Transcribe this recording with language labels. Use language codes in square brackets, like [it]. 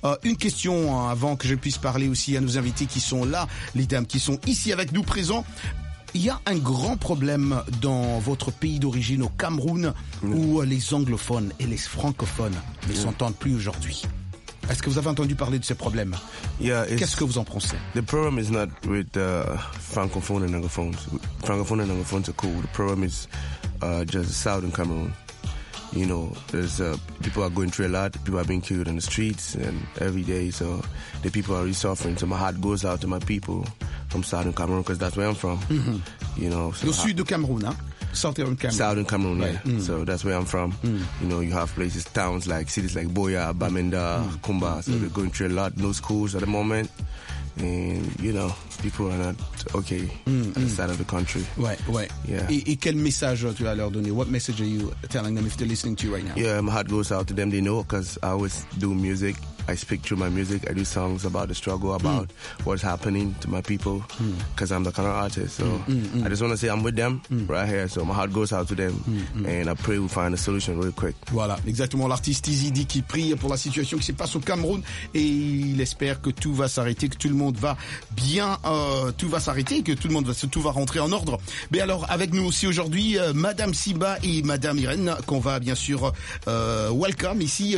[fr] Une question avant que je puisse parler aussi à nos invités qui sont là, les dames qui sont ici avec nous présents. Il y a un grand problème dans votre pays d'origine, au Cameroun, où les anglophones et les francophones ne s'entendent plus aujourd'hui. Est-ce que vous avez entendu parler de ce problème? [en] Yeah, [fr] qu'est-ce que vous en pensez? [en] The problem is not with francophones and anglophones. Francophones and anglophones are cool. The problem is just southern Cameroon. You know, there's people are going through a lot. People are being killed in the streets and every day. So the people are really suffering. So my heart goes out to my people from southern Cameroon, because that's where I'm from. Mm-hmm. You know, [fr] so le sud de Cameroun, hein? [en] Southern Cameroon. Southern Cameroon, yeah. Right. Mm. So that's where I'm from. Mm. You know, you have places, towns like cities like Boya, Bamenda, Kumba. So they're going through a lot. No schools at the moment. And, you know, people are not okay inside of the country. Right, right. Yeah. [fr] Et quel message tu vas leur donner? [en] What message are you telling them if they're listening to you right now? Yeah, my heart goes out to them. They know, because I always do music. I speak through my music. I do songs about the struggle, about what's happening to my people, because I'm the kind of artist. So I just want to say I'm with them right here. So my heart goes out to them, and I pray we find a solution real quick. [fr] Voilà, exactement. L'artiste TZ dit qu'il prie pour la situation qui se passe au Cameroun, et il espère que tout va s'arrêter, que tout le monde va bien, tout va s'arrêter, que tout le monde va tout va rentrer en ordre. Mais alors, avec nous aussi aujourd'hui, Madame Simba et Madame Irène, qu'on va bien sûr welcome ici.